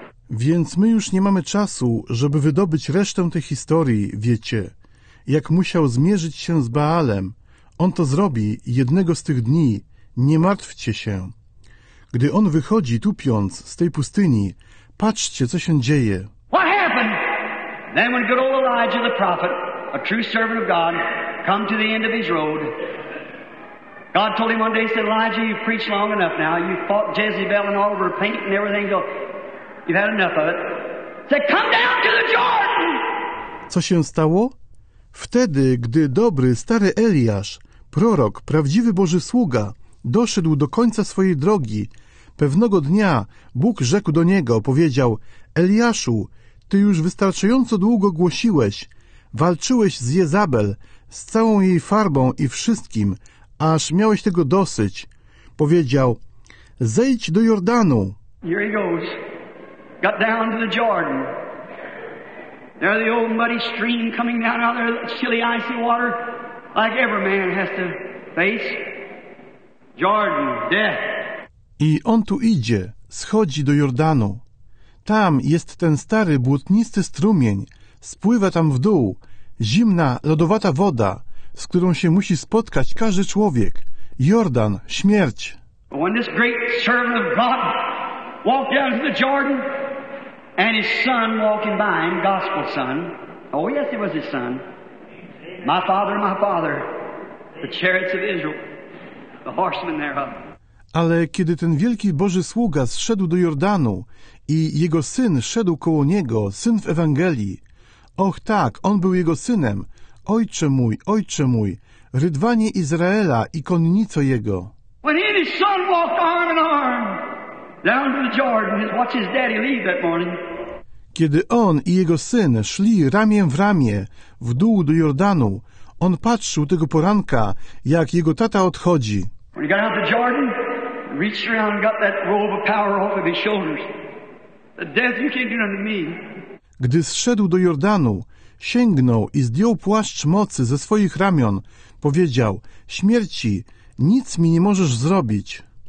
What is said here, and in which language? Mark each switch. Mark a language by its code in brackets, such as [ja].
[pl] Więc my już nie mamy czasu, żeby wydobyć resztę tej historii, wiecie. Jak musiał zmierzyć się z Baalem, on to zrobi jednego z tych dni, nie martwcie się. Gdy on wychodzi tupiąc z tej pustyni, patrzcie, co się dzieje. [en] What happened? Then when good old Elijah the prophet, a true servant of God, come to the end of his road, God told him one day, he said, Elijah, you've preached long enough now, you've fought Jezebel and all of her paint and everything, you've had enough of it. He said, come down to the Jordan! [pl] Co się stało? Wtedy, gdy dobry, stary Eliasz, prorok, prawdziwy Boży sługa, doszedł do końca swojej drogi. Pewnego dnia Bóg rzekł do niego, powiedział, Eliaszu, ty już wystarczająco długo głosiłeś, walczyłeś z Jezabel, z całą jej farbą i wszystkim, aż miałeś tego dosyć. Powiedział, zejdź do Jordanu. [en] Here he goes. Got down to the Jordan. There the old muddy stream coming down out there, chilly icy water, like every man has to face. Jordan, death. [pl] I on tu idzie, schodzi do Jordanu. Tam jest ten stary, błotnisty strumień. Spływa tam w dół. Zimna, lodowata woda, z którą się musi spotkać każdy człowiek. Jordan, śmierć. [en] When this great servant of God walked down to the Jordan, and his son walking by him, gospel son. Oh, yes, it was his son. My father, the chariots of Israel, the horsemen thereof. [pl] Ale kiedy ten wielki Boży sługa zszedł do Jordanu i jego syn szedł koło niego, syn w Ewangelii, och tak, on był jego synem, ojcze mój, rydwanie Izraela i konnico jego. [en] When he and his son walked arm in arm down to the Jordan, watch his daddy leave that morning. [pl] Kiedy on i jego syn szli ramię w ramię w dół do Jordanu, on patrzył tego poranka, jak jego tata odchodzi. [en] When he got out the Jordan, reached around and got that robe of power off of his shoulders. The death, you can't do nothing to me. [pl] Gdy zszedł do Jordanu, sięgnął i zdjął płaszcz mocy ze swoich ramion, powiedział: śmierci, nic mi nie możesz zrobić.